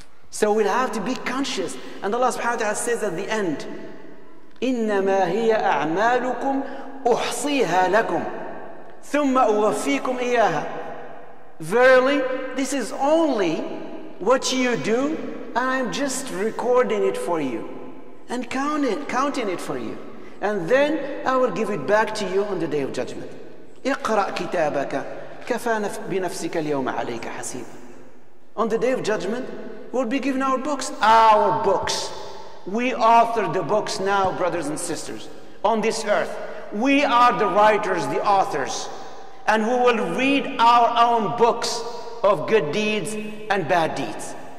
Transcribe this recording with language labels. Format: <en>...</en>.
<en>So we'll have to be conscious. And Allah subhanahu wa ta'ala says at the end,</en> <ar>إِنَّمَا هِيَ أَعْمَالُكُمْ أُحْصِيهَا لَكُمْ ثُمَّ أُوَفِّيكُمْ إِيَاهَا.</ar> <en>Verily, this is only what you do, and I'm just recording it for you and counting it for you. And then I will give it back to you on the day of judgment.</en> <ar>اقرأ كتابك كفى بنفسك اليوم عليك حسيب.</ar> <en>On the day of judgment, we'll be given our books. Our books. We author the books now, brothers and sisters, on this earth. We are the writers, the authors. And we will read our own books of good deeds and bad deeds.</en>